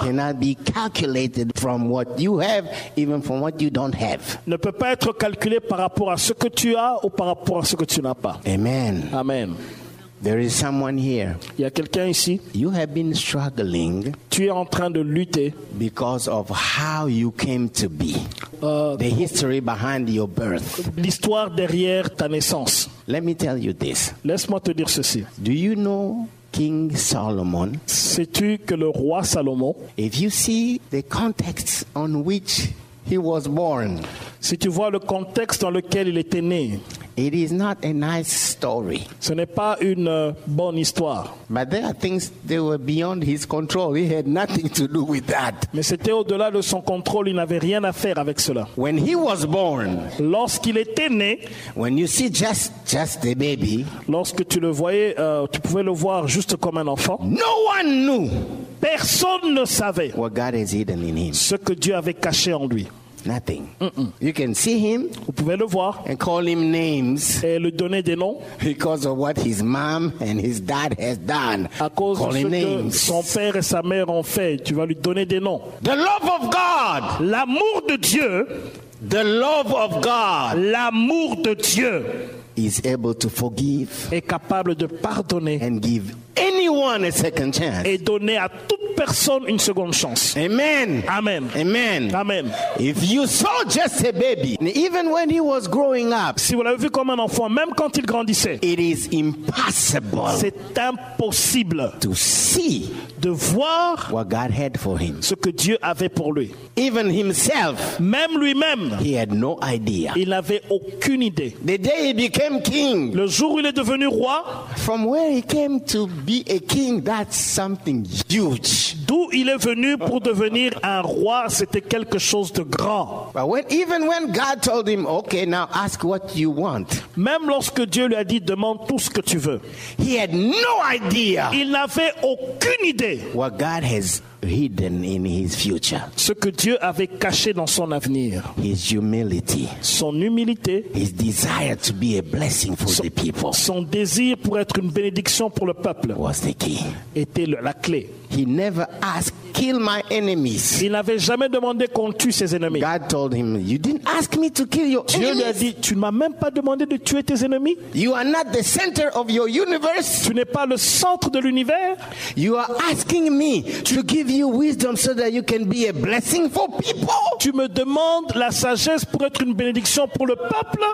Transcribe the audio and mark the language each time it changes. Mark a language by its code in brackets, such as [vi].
[en] cannot be calculated from what you have, even from what you don't have. [fr] Ne peut pas être calculé par rapport à ce que tu as ou par rapport à ce que tu n'as pas. [en] Amen. [fr] Amen. [en] There is someone here. [fr] Il y a quelqu'un ici. [en] You have been struggling. [fr] Tu es en train de lutter. [en] Because of how you came to be. The history behind your birth. [fr] L'histoire derrière ta naissance. [en] Let me tell you this. [fr] Laisse-moi te dire ceci. [en] Do you know King Solomon? [fr] Sais-tu que le roi Salomon, [en] if you see the context on which he was born, [fr] si tu vois le contexte dans lequel il était né, [en] it is not a nice story. [fr] Ce n'est pas une bonne histoire. [en] But there are things that were beyond his control. He had nothing to do with that. [fr] Mais c'était au-delà de son contrôle. Il n'avait rien à faire avec cela. [en] When he was born, [fr] lorsqu'il était né, [en] when you see just the baby, [fr] lorsque tu le voyais, tu pouvais le voir juste comme un enfant. [en] No one knew. [fr] Personne ne savait [en] what God has hidden in him. [fr] Ce que Dieu avait caché en lui. [en] Nothing. You can see him. [fr] Vous pouvez le voir. [en] And call him names. [fr] Et lui donner des noms. [en] Because of what his mom and his dad has done. [fr] À cause [en] call [fr] de ce que [en] names. [fr] Son père et sa mère ont fait. Tu vas lui donner des noms. [en] The love of God. [fr] L'amour de Dieu. [en] The love of God. [fr] L'amour de Dieu. [en] Is able to forgive. [fr] Est capable de pardonner. [en] And give anyone a second chance. [fr] Et donner à toute personne une seconde chance. [en] Amen. [fr] Amen. [en] Amen. [fr] Amen. [en] If you saw just a baby, even when he was growing up, [fr] si vous l'avez vu comme un enfant, même quand il grandissait, [en] it is impossible. [fr] C'est impossible [en] to see [fr] de voir [en] what God had for him. [fr] Ce que Dieu avait pour lui. [en] Even himself, [fr] même lui-même, [en] he had no idea. [fr] Il n'avait aucune idée. [en] The day he became king, [fr] le jour où il est devenu roi, [en] from where he came to be a king, that's something huge. [fr] D'où il est venu pour devenir un roi, c'était quelque chose de grand. [en] But when, even when God told him, okay, now ask what you want. [fr] Même lorsque Dieu lui a dit, demande tout ce que tu veux. [en] He had no idea. [fr] Il n'avait aucune idée. [en] What God has hidden in his future. [fr] Ce que Dieu avait caché dans son avenir. [en] His humility. [fr] Son humilité. [en] His desire to be a blessing for the people. [fr] Son désir pour être une bénédiction pour le peuple. [en] Was the key. [fr] Était la clé. [en] He never asked, kill my enemies. [fr] Il n'avait jamais demandé qu'on tue ses ennemis. [en] God told him, you didn't ask me to kill your [fr] Dieu [en] enemies. [fr] Dieu lui a dit, tu ne m'as même pas demandé de tuer tes ennemis. [en] You are not the center of your universe. [fr] Tu n'es pas le centre de l'univers. [en] You are asking me to give you wisdom so that you can be a blessing for people. [fr] Tu me demandes la sagesse pour être une bénédiction pour le peuple.